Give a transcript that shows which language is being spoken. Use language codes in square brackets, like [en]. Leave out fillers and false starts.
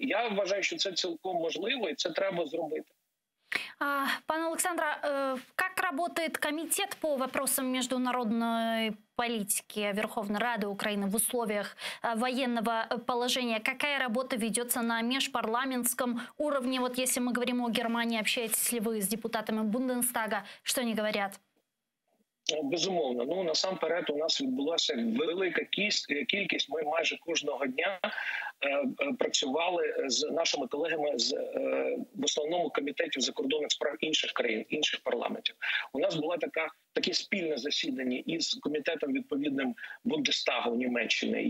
[uk] Я вважаю, що це цілком можливо, і це треба зробити. [ru] Пан Олександр, как работает комитет по вопросам международной политики Верховной Рады Украины в условиях военного положения? Какая работа ведется на межпарламентском уровне? Вот если мы говорим о Германии, общаетесь ли вы с депутатами Бундестага? Что они говорят? [uk] Безумовно. Ну, насамперед, у нас відбулася велика кількість. Ми майже кожного дня працювали з нашими колегами з в основному комітетів закордонних справ інших країн, інших парламентів. У нас була таке спільне засідання із комітетом відповідним Бундестагу в Німеччині.